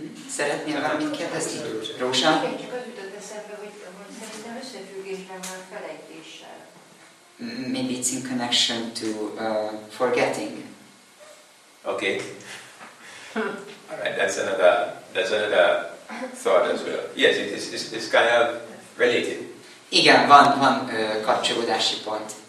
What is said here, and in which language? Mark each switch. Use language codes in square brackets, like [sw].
[hu] Szeretnél valamit kérdezni? Rósa? Csak az jutott eszembe, hogy szerintem összefüggésben van a felejtéssel. [en] Maybe it's in connection to forgetting. Okay. All right, that's another thought as well. Yes, it's kind of related. [hu] Igen, van kapcsolódási pont.